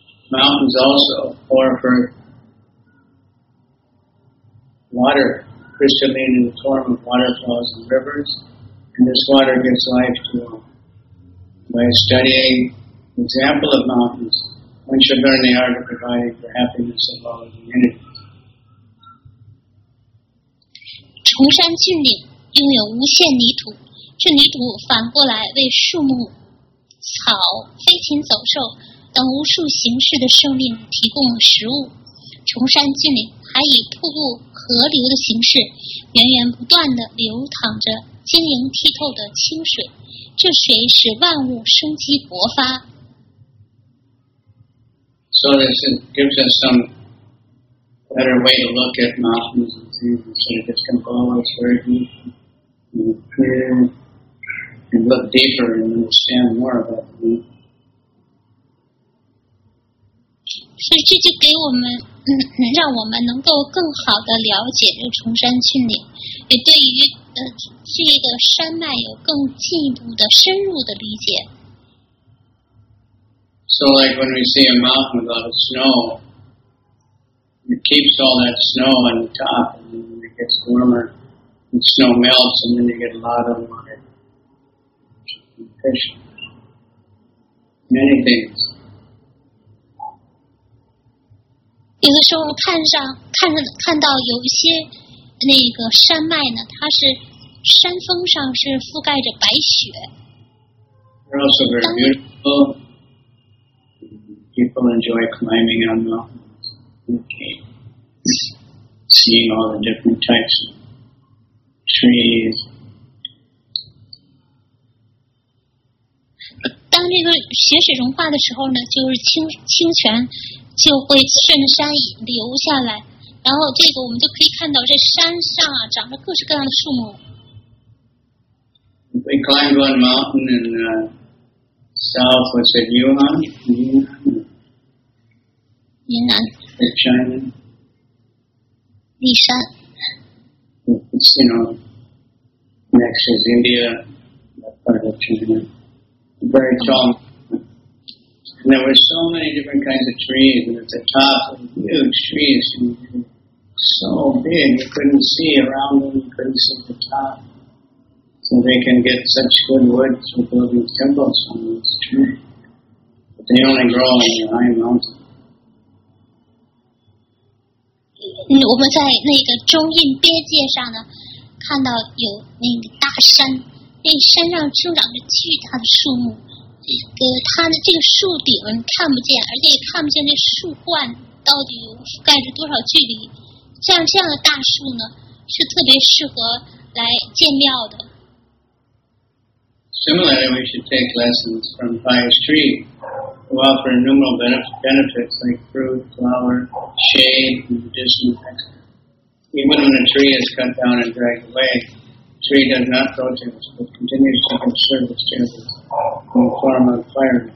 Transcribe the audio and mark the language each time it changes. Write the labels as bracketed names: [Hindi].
[English] Mountains also pour forth water, crystalline in the form of waterfalls and rivers. And this water gives life to all. By studying the example of mountains, one should learn the art of providing for happiness of all the entities. [Chinese] 崇山峻岭拥有无限泥土，这泥土反过来为树木、草、飞禽走兽等无数形式的生命提供了食物。崇山峻岭还以瀑布、河流的形式源源不断地流淌着晶莹剔透的清水，这水使万物生机勃发。 [English] So this gives us some better way to look at mountains and things instead of just kind of always very deep and clear and look deeper and understand more about them. [Chinese] 是这就给我们让我们能够更好的了解这崇山峻岭，也对于。这个山脉有更进一步的深入的理解。 [English] So like when we see a mountain without snow, it keeps all that snow on the top, and then it gets warmer, and snow melts, and then you get a lot of water, fish, many things. [Chinese] 有的时候看到有一些那个山脉呢，它是山峰上是覆盖着白雪。 [English] They're also very beautiful. People enjoy climbing on mountains, seeing all the different types of trees. [Chinese] 当这个雪水融化的时候呢，就是清泉就会顺山流下来，然后这个我们就可以看到这山上啊长着各式各样的树木。 [English] We climbed one mountain in the south, was it Yunnan? Yunnan. In China. Lishan. It's, you know, next is India, that part of China. Very tall. And there were so many different kinds of trees, and at the top, huge trees, so big, you couldn't see around them, you couldn't see the top. So they can get such good wood for building temples on this tree. But they only grow in the high mountains. [Chinese] 我们在那个中印边界上呢，看到有那个大山，那山上生长着巨大的树木。它的这个树顶看不见，而且也看不见这树冠到底覆盖着多少距离。像这样的大树呢，是特别适合来建庙的。 [English] Similarly, we should take lessons from pious tree who offer innumerable benefits like fruit, flower, shade, and medicinal extract. Even when a tree is cut down and dragged away, the tree does not protest but continues to give service to others in the form of firewood.